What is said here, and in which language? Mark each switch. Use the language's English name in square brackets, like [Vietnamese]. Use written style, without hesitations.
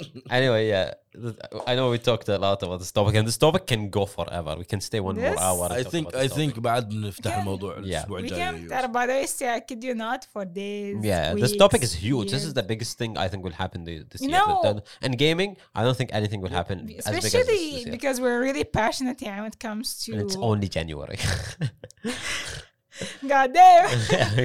[English] anyway, yeah. I know we talked a lot about this topic, and this topic can go forever. We can stay one more hour. I think [Arabic] بعد نفتح الموضوع الأسبوع الجاي. [English] We can, by the way, say, I kid you not, for days. Yeah, weeks, this topic is huge. This is the biggest thing I think will happen this year. And gaming, I don't think anything will happen, especially as big as this because we're really passionate here when it comes to, and it's only January. God damn.